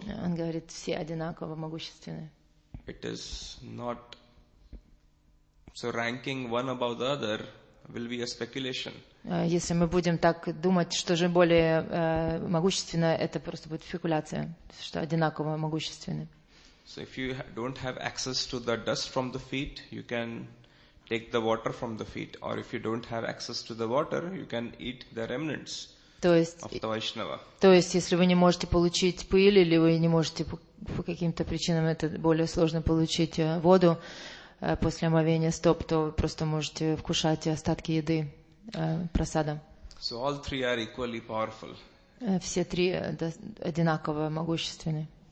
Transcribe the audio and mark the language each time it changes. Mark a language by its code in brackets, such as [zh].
[ru] Он говорит, все одинаково могущественны. [en] It is not... So ranking one above the other will be a speculation. [ru] Если мы будем так думать, что же более могущественно, это просто будет спекуляция, что одинаково могущественны. [en] So if you don't have access to the dust from the feet, you can take the water from the feet. Or if you don't have access to the water, you can eat the remnants of the Vaishnava. [ru] То есть, если вы не можете получить пыль, или вы не можете по каким-то причинам это более сложно получить воду после омовения стоп, то вы просто можете вкушать остатки еды. [en] So all three are equally powerful. [ru] Все три одинаково могущественны.